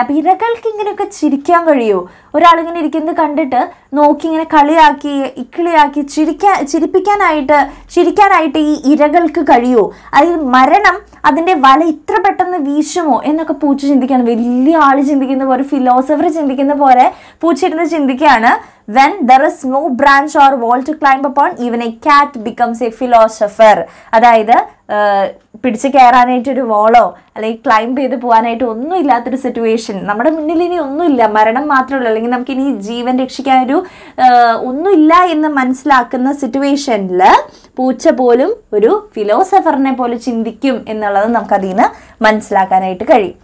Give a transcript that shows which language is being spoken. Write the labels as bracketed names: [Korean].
[Malayalam] അപ്പം ഇരകൾക്ക് ഇങ്ങനെയൊക്കെ ചിരിക്കാൻ കഴിയുമോ? ഒരാളിങ്ങനെ ഇരിക്കുന്നത് കണ്ടിട്ട് നോക്കി ഇങ്ങനെ കളിയാക്കി ഇക്കിളിയാക്കി ചിരിപ്പിക്കാനായിട്ട് ഈ ഇരകൾക്ക് കഴിയുമോ? അതിൽ മരണം അതിൻ്റെ വല ഇത്ര പെട്ടെന്ന് വീശുമോ എന്നൊക്കെ പൂച്ച ചിന്തിക്കുകയാണ്. വലിയ ആൾ ചിന്തിക്കുന്ന പോലെ, ഫിലോസഫർ ചിന്തിക്കുന്ന പോലെ പൂച്ച ഇരുന്ന് ചിന്തിക്കുകയാണ്. [English] When there is no branch or wall to climb upon, even a cat becomes a philosopher. [Malayalam] അതായത് പിടിച്ച് കയറാനായിട്ടൊരു വോളോ അല്ലെങ്കിൽ ക്ലൈംബ് ചെയ്ത് പോകാനായിട്ടോ ഒന്നും ഇല്ലാത്തൊരു സിറ്റുവേഷൻ, നമ്മുടെ മുന്നിൽ ഇനി ഒന്നുമില്ല, മരണം മാത്രമേ ഉള്ളൂ, അല്ലെങ്കിൽ നമുക്കിനി ജീവൻ രക്ഷിക്കാനൊരു ഒന്നുമില്ല എന്ന് മനസ്സിലാക്കുന്ന സിറ്റുവേഷനിൽ പൂച്ച പോലും ഒരു ഫിലോസഫറിനെ പോലെ ചിന്തിക്കും എന്നുള്ളത് നമുക്കതിൽ നിന്ന് മനസ്സിലാക്കാനായിട്ട് കഴിയും.